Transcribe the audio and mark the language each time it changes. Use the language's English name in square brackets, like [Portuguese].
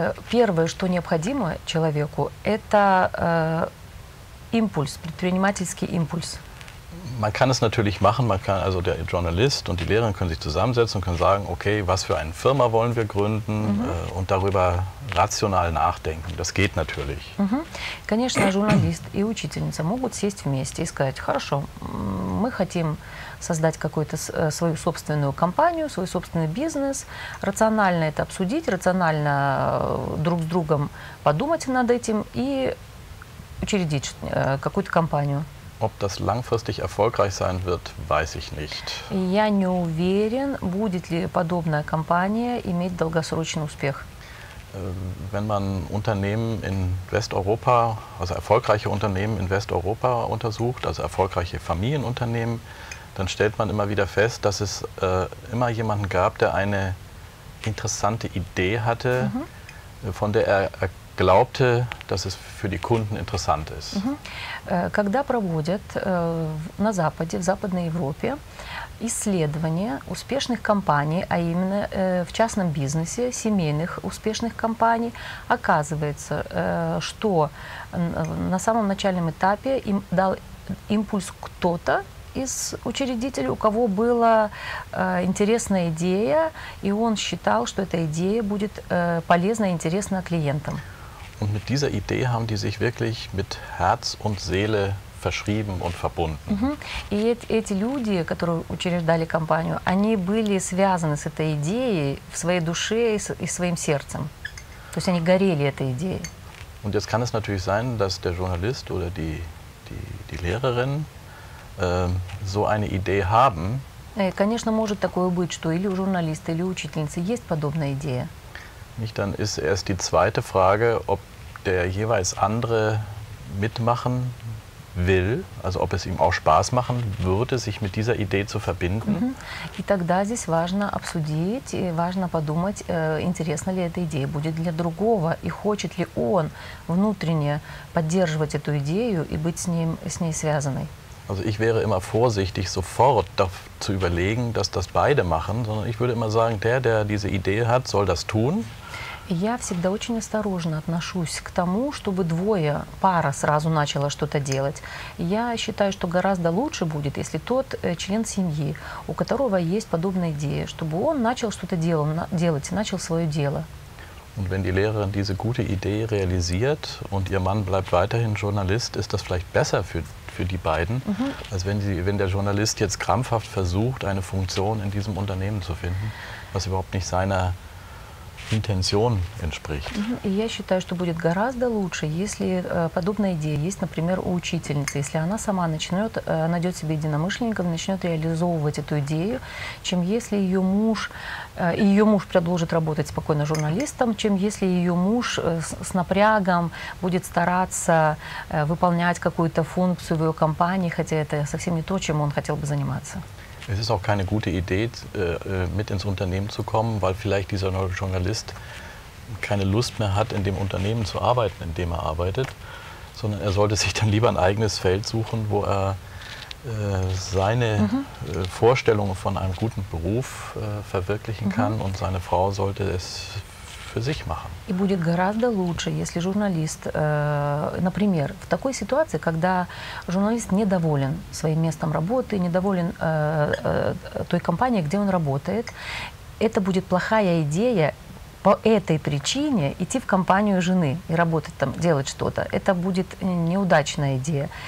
[Russian] Первое, что необходимо человеку, это импульс, предпринимательский импульс. [German] Man kann es natürlich machen, man kann, also der Journalist und die Lehrerin können sich zusammensetzen und können sagen, okay, was für eine Firma wollen wir gründen und darüber rational nachdenken. Das geht natürlich. [Russian] Конечно, Journalist и учительница могут сесть вместе и сказать, хорошо, мы хотим создать какую-то свою собственную компанию, свой собственный бизнес, рационально это обсудить, рационально друг с другом подумать над этим и учредить какую-то компанию. [German] Ob das langfristig erfolgreich sein wird, weiß ich nicht. [Russian] Я не уверен, будет ли подобная компания иметь долгосрочный успех. [German] Wenn man Unternehmen in Westeuropa, also erfolgreiche Unternehmen in Westeuropa untersucht, also erfolgreiche Familienunternehmen, dann stellt man immer wieder fest, dass es immer jemanden gab, der eine interessante Idee hatte, von der er glaubte, dass es für die Kunden interessant ist. [Russian] Когда проводят на Западе, в Западной Европе, исследования успешных компаний, а именно в частном бизнесе, семейных успешных компаний, оказывается, что на самом начальном этапе им дал импульс кто-то из учредителей, у кого была интересная идея, и он считал, что эта идея будет полезна и интересна клиентам. [German] Und mit dieser Idee haben die sich wirklich mit Herz und Seele verschrieben und verbunden. [Russian] И эти люди, которые учреждали компанию, они были связаны с этой идеей в своей душе и своим сердцем. То есть они горели этой идеей. [German] Und jetzt kann es natürlich sein, dass der Journalist oder die Lehrerin so eine Idee haben. [Russian] Конечно, может такое быть, что или у журналиста, или у учительницы есть подобная идея. [German] Nicht, dann ist erst die zweite Frage, ob der jeweils andere mitmachen will, also ob es ihm auch Spaß machen würde, sich mit dieser Idee zu verbinden. [Russian] И тогда здесь важно обсудить, важно подумать, интересна ли эта идея будет для другого и хочет ли он внутренне поддерживать эту идею и быть с ней связанной. [German] Also ich wäre immer vorsichtig, sofort zu überlegen, dass das beide machen, sondern ich würde immer sagen, der diese Idee hat, soll das tun. [Russian] Я всегда очень осторожно отношусь к тому, чтобы двое, пара сразу начала что-то делать. Я считаю, что гораздо лучше будет, если тот член семьи, у которого есть подобная идея, чтобы он начал что-то делать, начал свое дело. [German] Und wenn die Lehrerin diese gute Idee realisiert und ihr Mann bleibt weiterhin Journalist, ist das vielleicht besser für die beiden, als wenn der Journalist jetzt krampfhaft versucht, eine Funktion in diesem Unternehmen zu finden, was überhaupt nicht seiner Intention entspricht. [Russian] Я считаю, что будет гораздо лучше, если подобная идея есть, например, у учительницы, если она сама найдет себе единомышленников, начнет реализовывать эту идею, чем если ее муж продолжит работать спокойно журналистом, чем если ее муж с напрягом будет стараться выполнять какую-то функцию в ее компании, хотя это совсем не то, чем он хотел бы заниматься. [German] Es ist auch keine gute Idee, mit ins Unternehmen zu kommen, weil vielleicht dieser neue Journalist keine Lust mehr hat, in dem Unternehmen zu arbeiten, in dem er arbeitet, sondern er sollte sich dann lieber ein eigenes Feld suchen, wo er seine Vorstellungen von einem guten Beruf verwirklichen kann und seine Frau sollte es für sich machen. [Russian] И будет гораздо лучше, если журналист, например, в такой ситуации, когда журналист недоволен своим местом работы, недоволен той компанией, где он работает, это будет плохая идея по этой причине идти в компанию жены и работать там, делать что-то, это будет неудачная идея.